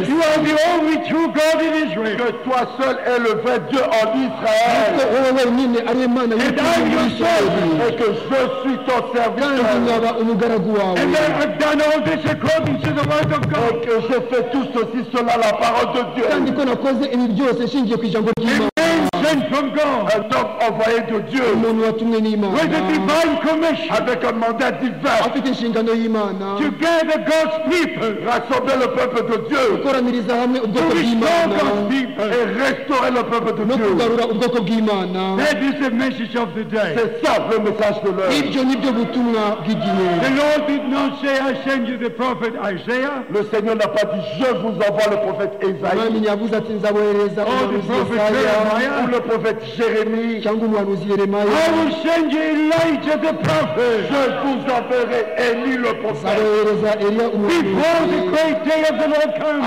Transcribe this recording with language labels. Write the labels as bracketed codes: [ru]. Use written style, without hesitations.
[en] That you are the only true God in Israel. [fr] Que toi seul es le vrai Dieu en Israël. [en] And I am your servant. [fr] Et que je suis ton serviteur. [en] And I have done all this according to the word of God. [fr] Et que je fais tout ceci selon la parole de Dieu. Tandis qu'on a causé une vidéo, c'est signé que j'en veux [en] qu'il from God, [fr] envoyé de Dieu, [en] with a divine commission, [fr] avec un mandat divin, [en] to gather God's people, [fr] rassembler le peuple de Dieu, [en] to restore God's people, [fr] et restaurer le peuple de Dieu. [en] That is the message of the day. [fr] C'est ça le message de l'heure. [en] The Lord did not say, I send you the prophet Isaiah. [fr] Le Seigneur n'a pas dit, je vous envoie le prophète Isaïe. [en] Or the prophet Jeremiah. [fr] Le prophète Jérémie. [en] I will send you Elijah the prophet. [fr] Je vous enverrai Élie le prophète. [en] Before the great day of the Lord comes.